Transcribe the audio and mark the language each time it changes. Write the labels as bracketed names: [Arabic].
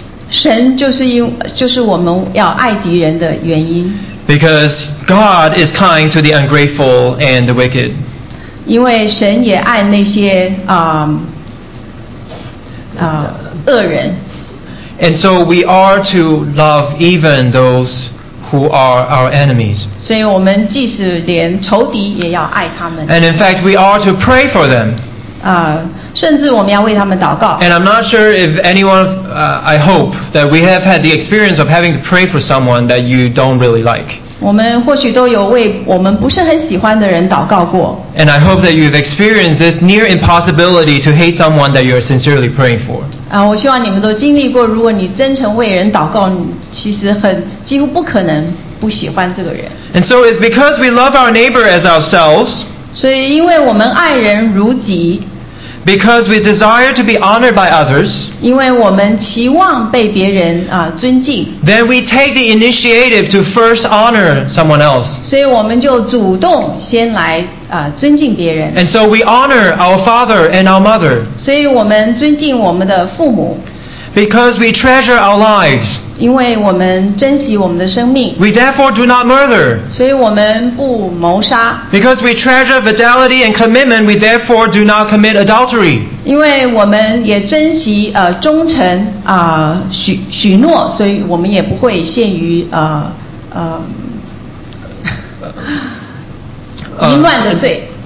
[Chinese] 神就是我们要爱敌人的原因。 [English] Because God is kind to the ungrateful and the wicked. [Chinese] 因为神也爱那些恶人。 [English] And so we are to love even those who are our enemies. [Chinese] 所以我们即使连仇敌也要爱他们。 [English] And in fact, we are to pray for them. [Chinese] 甚至我们要为他们祷告。 [English] And I'm not sure if anyone, I hope that we have had the experience of having to pray for someone that you don't really like. [Chinese] 我们或许都有为我们不是很喜欢的人祷告过。 [English] And I hope that you've experienced this near impossibility to hate someone that you're sincerely praying for. [Chinese] 我希望你们都经历过，如果你真诚为人祷告，其实很几乎不可能不喜欢这个人。 [English] And so it's because we love our neighbor as ourselves. [Chinese] 所以因为我们爱人如己。 [English] Because we desire to be honored by others, [Chinese] 因为我们期望被别人尊敬。 [English] Then we take the initiative to first honor someone else. [Chinese] 所以我们就主动先来尊敬别人。 [English] And so we honor our father and our mother. [Chinese] 所以我们尊敬我们的父母。 [English] Because we treasure our lives. [Chinese] 因为我们珍惜我们的生命。 [English] We therefore do not murder. [Chinese] 所以我们不谋杀。 [English] Because we treasure fidelity and commitment, we therefore do not commit adultery. [Chinese] 因为我们也珍惜忠诚许诺，所以我们也不会陷于淫乱的罪。